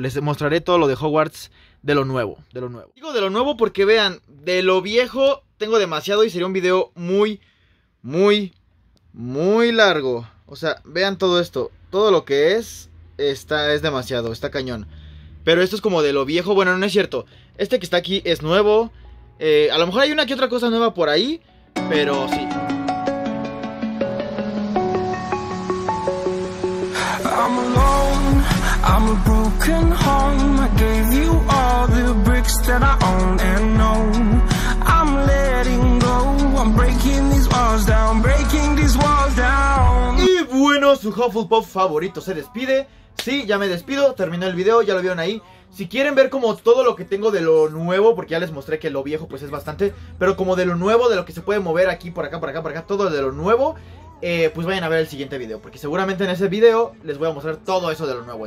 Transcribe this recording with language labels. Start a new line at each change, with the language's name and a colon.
Spanish: Les mostraré todo lo de Hogwarts de lo nuevo. Digo de lo nuevo porque vean, de lo viejo tengo demasiado y sería un video muy, muy, muy largo. O sea, vean todo esto. Todo lo que es demasiado, está cañón. Pero esto es como de lo viejo, bueno, no es cierto. Este que está aquí es nuevo. A lo mejor hay una que otra cosa nueva por ahí, pero sí.
English: I'm alone, I'm a broken home. I gave you all the bricks that I own and know. I'm letting go, I'm breaking these walls down, breaking these walls down.
Spanish: Y bueno, su Hufflepuff favorito se despide. Sí, ya me despido, terminó el video, ya lo vieron ahí. Si quieren ver como todo lo que tengo de lo nuevo, porque ya les mostré que lo viejo pues es bastante, pero como de lo nuevo, de lo que se puede mover aquí, por acá, todo de lo nuevo, pues vayan a ver el siguiente video, porque seguramente en ese video les voy a mostrar todo eso de lo nuevo.